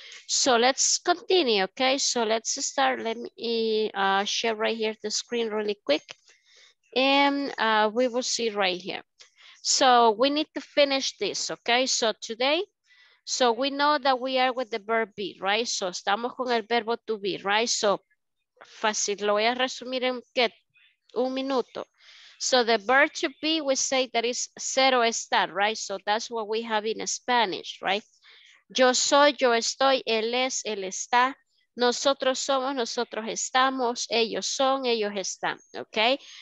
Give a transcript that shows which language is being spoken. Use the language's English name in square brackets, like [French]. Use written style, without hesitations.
[English] So let's continue, okay? So let's start. Let me share right here the screen really quick. And we will see right here. So we need to finish this, okay? So today, so we know that we are with the verb be, right? [Spanish] So estamos con el verbo to be, right? So fácil, lo voy a resumir en que un minuto. [English] So the verb to be, we say that is [Spanish] ser o estar, [English] right? So that's what we have in Spanish, right? [Spanish] Yo soy, yo estoy, él es, él está. Nosotros somos, nosotros estamos, ellos son, ellos están, okay?